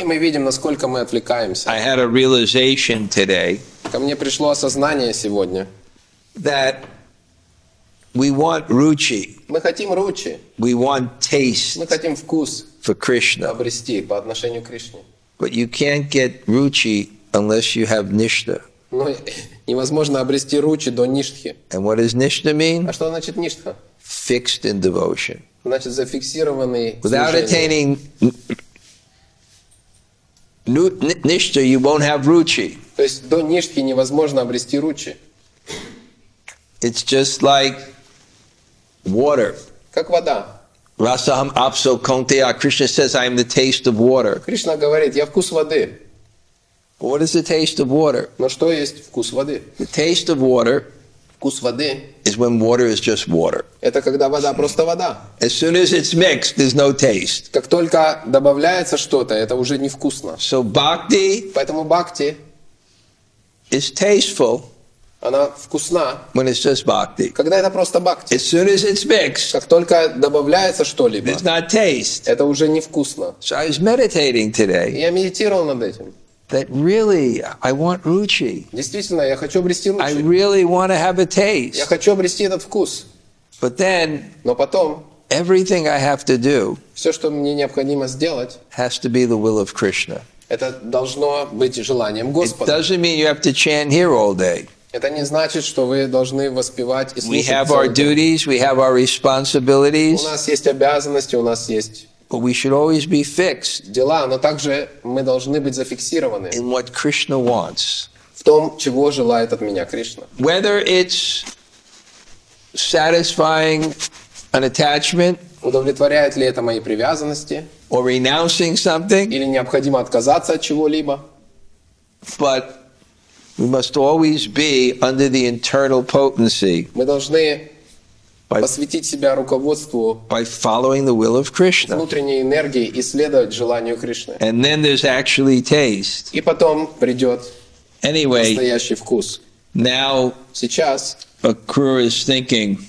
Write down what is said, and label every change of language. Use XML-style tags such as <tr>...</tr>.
<ru>И мы видим, насколько мы отвлекаемся.</ru> <en>I had a realization today.</en> <ru>Ко мне пришло осознание сегодня.</ru> <en>That we want ruchi.</en> <ru>Мы хотим ручи.</ru> <en>We want taste.</en> <ru>Мы хотим вкус.</ru> <en>For Krishna.</en> <ru>Обрести по отношению к Кришне.</ru> <en>But you can't get ruchi unless you have nishtha.</en> <ru>Но невозможно обрести ручи до ништхи.</ru> <en>And what does nishtha mean?</en> <ru>А что значит ништха?</ru> <en>Fixed in devotion.</en> <ru>Значит, зафиксированный служение.</ru> <en>Without attaining nishtha, you won't have ruchi.</en> <ru>То есть до ништхи невозможно обрести ручи.</ru> <en>It's just like water.</en> <ru>Как вода.</ru> <sa>Rasaham apso kontiya.</sa> <en>Krishna says, I am the taste of water.</en> <ru>Кришна говорит, я вкус воды.</ru> <en>What is the taste of water?</en> <ru>Но что есть вкус воды?</ru> <en>The taste of water.</en> <ru>Вкус воды.</ru> <en>Is when water is just water.</en> <ru>Это когда вода просто вода.</ru> <en>As soon as it's mixed, there's no taste.</en> <ru>Как только добавляется что-то, это уже невкусно.</ru> <en>So bhakti.</en> <ru>Поэтому бхакти.</ru> <en>Is tasteful.</en> <ru>Она вкусна.</ru> <en>When it's just bhakti.</en> <ru>Когда это просто бхакти.</ru> <en>As soon as it's mixed.</en> <ru>Как только добавляется что-либо.</ru> <en>It's not taste.</en> <ru>Это уже невкусно.</ru> <en>So I was meditating today.</en> <ru>Я медитировал над этим.</ru> <en>That really, I want ruchi.</en> <ru>Действительно, я хочу обрести ручи.</ru> <en>I really want to have a taste.</en> <ru>Я хочу обрести этот вкус.</ru> <en>But then,</en> <ru>но потом,</ru> <en>everything I have to do,</en> <ru>все, что мне необходимо сделать,</ru> <en>has to be the will of Krishna.</en> <ru>Это должно быть желанием Господа.</ru> <en>It doesn't mean you have to chant here all day.</en> <ru>Это не значит, что вы должны воспевать и слушать.</ru> <en>We have our duties. We have our responsibilities.</en> <ru>У нас есть обязанности. У нас есть.</ru> <en>But we should always be fixed.</en> <ru>Дела, но также мы должны быть зафиксированы.</ru> <en>In what Krishna wants.</en> <ru>В том, чего желает от меня Кришна.</ru> <en>Whether it's satisfying an attachment.</en> <ru>Удовлетворяет ли это мои привязанности?</ru> <en>Or renouncing something.</en> <ru>Или необходимо отказаться от чего-либо?</ru> <en>But we must always be under the internal potency.</en> <ru>Мы должны посвятить себя руководству</ru> <en>by following the will of Krishna.</en> <ru>Внутренней энергии и следовать желанию Кришны.</ru> <en>And then there's actually taste.</en> <ru>И потом придет</ru> <en>anyway,</en> <ru>настоящий вкус.</ru> <en>Now</en> <ru>сейчас</ru> <en>Акрура is thinking,</en>